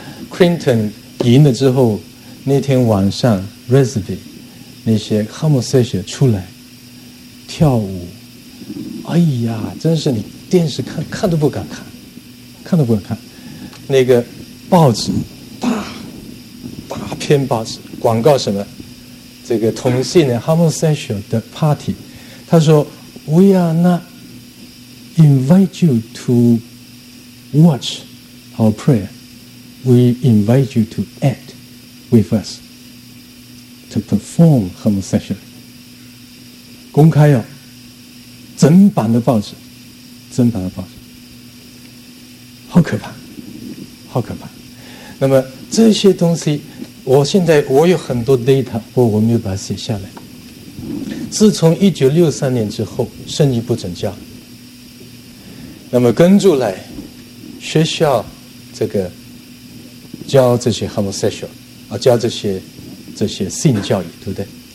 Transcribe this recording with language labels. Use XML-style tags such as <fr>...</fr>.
<zh>Clinton 赢了之后，那天晚上 Resby 那些 homosexual 出来跳舞，哎呀，真是你电视看都不敢看，看都不敢看。那个报纸，大片报纸广告什么？这个同性恋</zh> <en>homosexual</en> <zh>的</zh> <en>party，</en> <zh>他说</zh> <en>：“We are not invite you to watch our prayer. We invite you to act with us to perform homosexual。”</en> <zh>公开哦，整版的报纸。真把它报上，好可怕，好可怕。那么这些东西，我现在我有很多 data， 不过我没有把它写下来。自从1963年之后，圣经不准教。那么跟住来，学校这个教这些 homosexual 啊，教这些性教育，对不对？</zh>